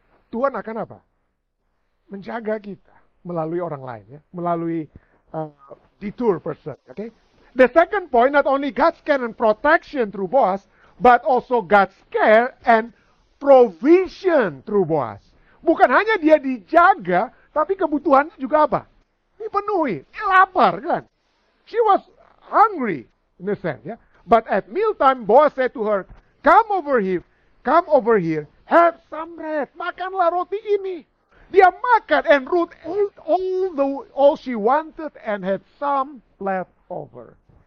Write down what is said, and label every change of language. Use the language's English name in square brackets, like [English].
[Indonesian] Tuhan akan apa? Menjaga kita melalui orang lain, ya? Melalui [English] detour person. Okay? The second point, not only God's care and protection through Boaz, but also God's care and provision through Boaz. [Indonesian] Bukan hanya dia dijaga, tapi kebutuhannya juga apa? Dipenuhi. Dia lapar, kan? [English] She was hungry, in a sense. Yeah? But at mealtime, Boaz said to her, come over here, have some bread. [Indonesian] Makanlah roti ini. Dia makan, [English] and Ruth ate all she wanted and had some left over.